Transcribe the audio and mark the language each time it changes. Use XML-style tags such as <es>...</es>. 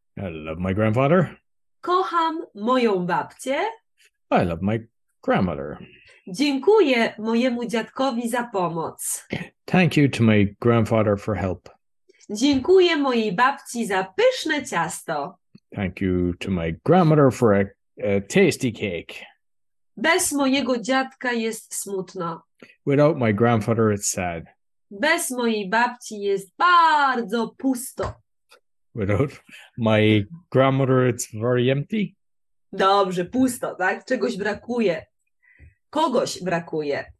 <en>I love my grandfather.</en> <pl>Kocham moją babcię.</pl> <en>I love my grandmother.</en> <pl>Dziękuję mojemu dziadkowi za pomoc.</pl> <en>Thank you to my grandfather for help.</en> <pl>Dziękuję mojej babci za pyszne ciasto.</pl> <en>Thank you to my grandmother for a tasty cake.</en> <pl>Bez mojego dziadka jest smutno.</pl> <en>Without my grandfather it's sad.</en> <pl>Bez mojej babci jest bardzo pusto.</pl> <en>Without my grandmother it's very empty.</en> <pl>Dobrze, pusto, tak? Czegoś brakuje. Kogoś brakuje.</pl>